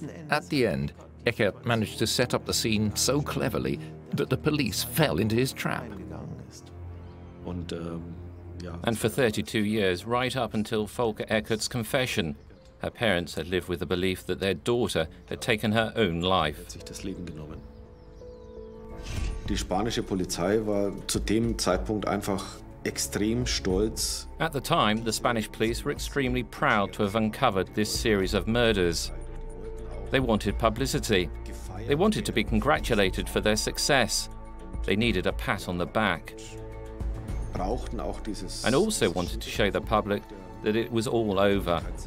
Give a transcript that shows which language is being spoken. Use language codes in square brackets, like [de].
[en] At the end, Eckert managed to set up the scene so cleverly that the police fell into his trap. And for 32 years, right up until Volker Eckert's confession, her parents had lived with the belief that their daughter had taken her own life. [de] Die spanische Polizei war zu dem Zeitpunkt einfach extrem stolz. [en] At the time, the Spanish police were extremely proud to have uncovered this series of murders. They wanted publicity. They wanted to be congratulated for their success. They needed a pat on the back. And also wanted to show the public that it was all over.